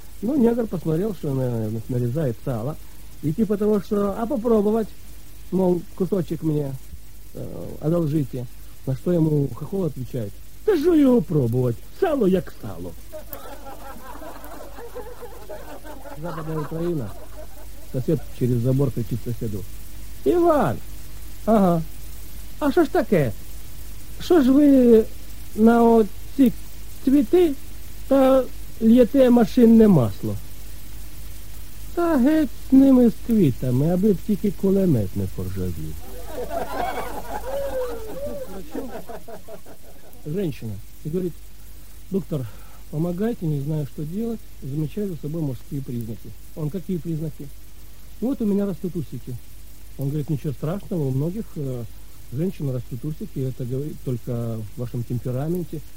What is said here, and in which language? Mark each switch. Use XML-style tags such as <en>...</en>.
<ru>Ну, негр посмотрел, что нарезает сало. И типа того, что: «А попробовать, мол, кусочек мне одолжите». На что ему хохол отвечает: «Да что его пробовать,</ru> <uk>сало як сало».</uk> <ru>Западная Украина. Сосед через забор кричит соседу: «Иван! Ага. А что ж такое? Что ж вы</ru> <uk>на оці цвіти та л'єте машинне масло?» «Та геть з ними, з квітами, аби б тільки кулемет не поржавів».</uk> <ru>Женщина і говорить: «Доктор, помогайте, не знаю, что делать, замечаю за собой мужские признаки». «Он, какие признаки?» «Вот у меня растут усики». Он говорит: «Ничего страшного, у многих женщина растут усики, это говорит только в вашем темпераменте.</ru>